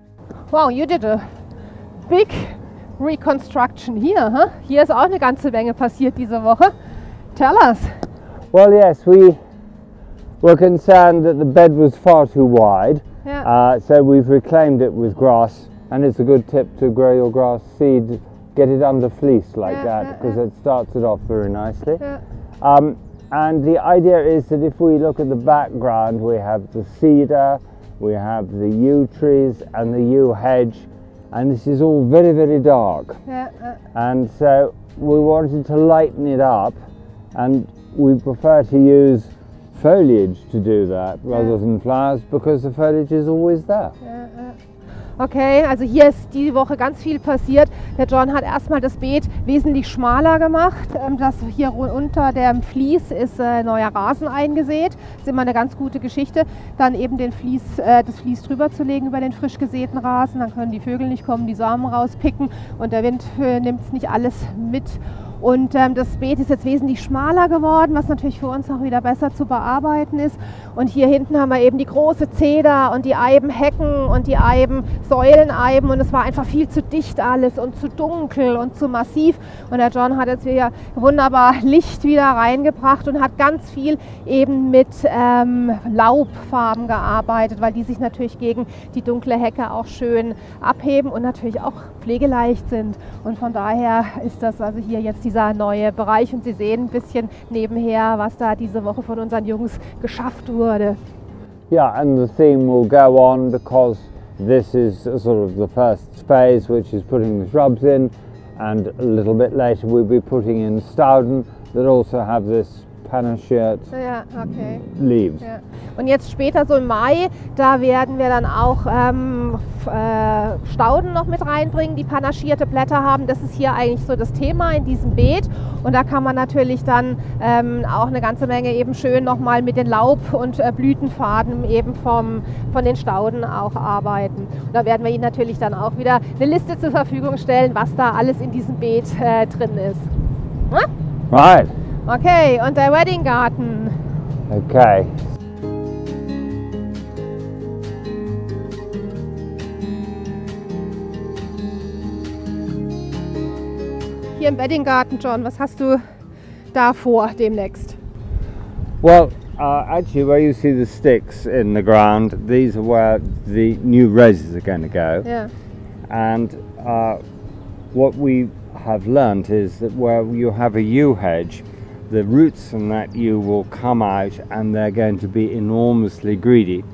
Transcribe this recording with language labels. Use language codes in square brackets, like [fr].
[en] Okay. Wow, you did a big reconstruction here, huh? [de] Hier ist auch eine ganze Menge passiert diese Woche. [en] Tell us. Well, yes, we were concerned that the bed was far too wide. Yeah. So we've reclaimed it with grass, and it's a good tip to grow your grass seed, get it under fleece like that, because it starts it off very nicely. Yeah. And the idea is that if we look at the background, we have the cedar, we have the yew trees and the yew hedge, and this is all very, very dark. And so we wanted to lighten it up, and we prefer to use foliage to do that rather than flowers, because the foliage is always there. [de] Okay, also hier ist diese Woche ganz viel passiert. Der John hat erstmal das Beet wesentlich schmaler gemacht. Das hier unter dem Vlies ist neuer Rasen eingesät. Das ist immer eine ganz gute Geschichte, dann eben den Vlies, das Vlies drüber zu legen über den frisch gesäten Rasen. Dann können die Vögel nicht kommen, die Samen rauspicken und der Wind nimmt es nicht alles mit. Und das Beet ist jetzt wesentlich schmaler geworden, was natürlich für uns auch wieder besser zu bearbeiten ist. Und hier hinten haben wir eben die große Zeder und die Eibenhecken und die Eiben, Säuleneiben. Und es war einfach viel zu dicht alles und zu dunkel und zu massiv. Und der John hat jetzt hier wunderbar Licht wieder reingebracht und hat ganz viel eben mit Laubfarben gearbeitet, weil die sich natürlich gegen die dunkle Hecke auch schön abheben und natürlich auch pflegeleicht sind. Und von daher ist das also hier jetzt dieser neue Bereich. Und Sie sehen ein bisschen nebenher, was da diese Woche von unseren Jungs geschafft wurde. [en] Yeah, and the theme will go on because this is sort of the first phase, which is putting the shrubs in, and a little bit later we'll be putting in Stauden that also have this panachered leaves. Yeah. [de] Und jetzt später, so im Mai, da werden wir dann auch Stauden noch mit reinbringen, die panaschierte Blätter haben. Das ist hier eigentlich so das Thema in diesem Beet. Und da kann man natürlich dann auch eine ganze Menge eben schön nochmal mit den Laub- und Blütenfaden eben von den Stauden auch arbeiten. Und da werden wir Ihnen natürlich dann auch wieder eine Liste zur Verfügung stellen, was da alles in diesem Beet drin ist. [en] Hm? Right. [de] Okay, und der Wedding Garten. Okay. Hier im Wedding Garten, John, was hast du da vor demnächst? [en] Well, actually, where you see the sticks in the ground, these are where the new roses are going to go. Yeah. And what we have learned is that where you have a yew hedge, the roots from that yew will come out and they're going to be enormously greedy.